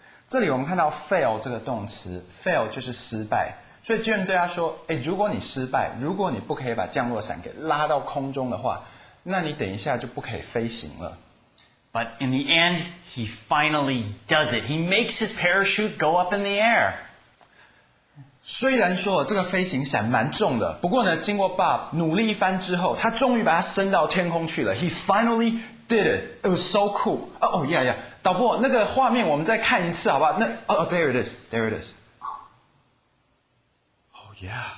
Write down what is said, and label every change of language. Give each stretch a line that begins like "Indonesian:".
Chinese: 这里我们看到 fail 这个动词 fail 就是失败，所以 Jim 对他说、欸、如果你失败，如果你不可以把降落伞给拉到空中的话，那你等一下就不可以飞行了。
English: But in the end, he finally does it. He makes his parachute go up in the air.
Chinese: 虽然说这个飞行伞蛮重的，不过呢，经过 Bob 努力一番之后，他终于把它升到天空去了。
English: He finally did it. It was so cool. Oh yeah yeah.
Chinese: 导播，那个画面我们再看一次好不好？那
English: Oh there it is.
Chinese: There it is.
English: Oh yeah.